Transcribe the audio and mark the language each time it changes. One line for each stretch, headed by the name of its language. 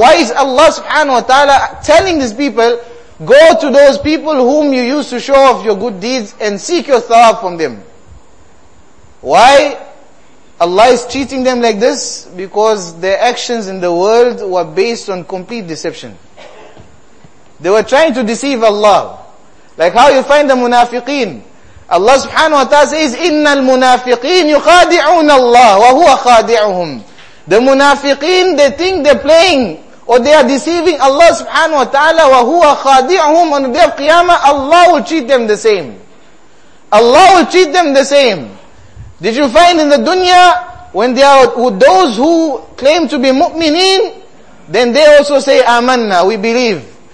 English: Why is Allah subhanahu wa ta'ala telling these people, go to those people whom you used to show off your good deeds and seek your sawab from them? Why Allah is treating them like this? Because their actions in the world were based on complete deception. They were trying to deceive Allah. Like how you find the munafiqeen.
Arabic: Allah subhanahu wa ta'ala says, إِنَّ الْمُنَافِقِينَ يُخَادِعُونَ اللَّهُ وَهُوَ خَادِعُهُمْ.
English: The munafiqeen, they think they're playing or they are deceiving Allah subhanahu wa ta'ala,
Arabic: وَهُوَ خَادِعُهُمْ.
English: On the day of Qiyamah, Allah will treat them the same. Allah will treat them the same. Did you find in the dunya, when they are with those who claim to be mu'mineen, then they also say, amanna, we believe.